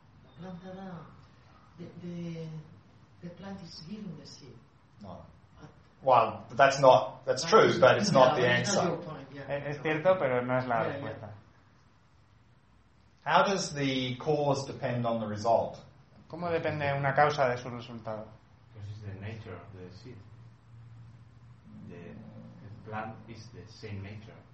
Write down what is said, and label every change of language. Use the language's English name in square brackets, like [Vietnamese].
[Spanish] La planta da [English] the plant is giving the seed. No. Well, that's not, that's true, but it's not the answer. [Spanish] Es cierto, pero no es la respuesta. [English] How does the cause depend on the result? [Spanish] ¿Cómo depende una causa de su resultado? [English] Because it's the nature of the seed. The plant is the same nature.